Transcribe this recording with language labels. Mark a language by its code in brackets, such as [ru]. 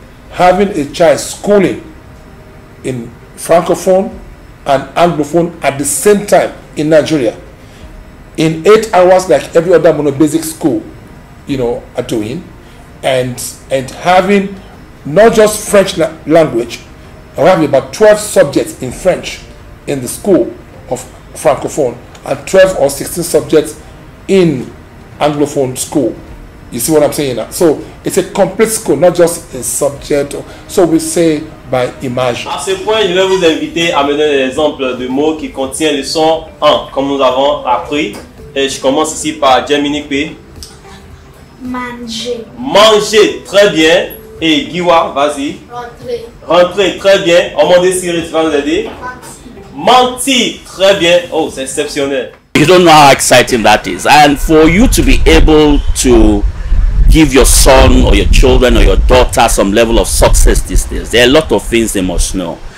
[en] Having a child schooling in Francophone and Anglophone at the same time in Nigeria in 8 hours, like every other monobasic school, you know, are doing, and having not just French language, having about 12 subjects in French in the school of Francophone and 12 or 16 subjects in Anglophone school. You see what I'm saying? So it's a complete school, not just a subject. So we say by immersion. [fr] À ce point, je vais vous inviter à me donner un exemple de mot qui contient le son en, comme nous avons appris. Et je commence ici par Gemini P. Manger. Manger, très bien. Et Guiwa, vas-y. Rentrer. Rentrer, très bien. On m'a dit si tu vas nous aider. Mentir. Mentir, très bien. Oh, c'est exceptionnel. [en] You don't know how exciting that is, and for you to be able to give your son or your children or your daughter some level of success these days, there are a lot of things they must know.